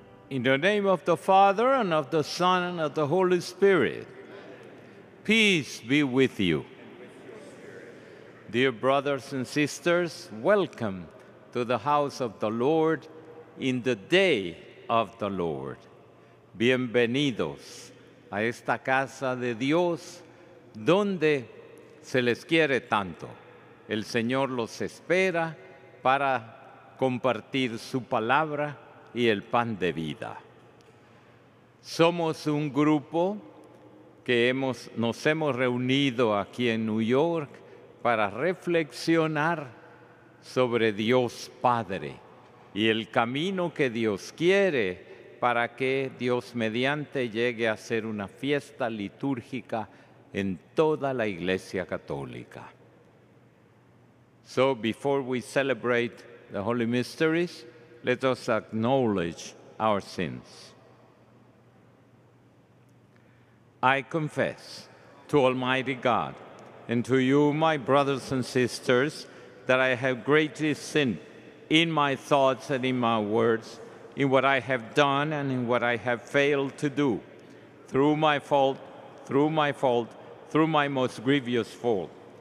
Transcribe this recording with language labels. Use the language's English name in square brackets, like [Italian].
[English] In the name of the Father, and of the Son, and of the Holy Spirit, peace be with you. Dear brothers and sisters, welcome to the house of the Lord in the day of the Lord. [Spanish] Bienvenidos a esta casa de Dios donde se les quiere tanto. El Señor los espera para compartir su palabra y el pan de vida. Somos un grupo que nos hemos reunido aquí en New York para reflexionar sobre Dios Padre y el camino que Dios quiere para que Dios mediante llegue a ser una fiesta litúrgica en toda la Iglesia Católica. [English] So before we celebrate the Holy Mysteries, let us acknowledge our sins. I confess to Almighty God and to you, my brothers and sisters, that I have greatly sinned in my thoughts and in my words, in what I have done and in what I have failed to do, through my most grievous fault.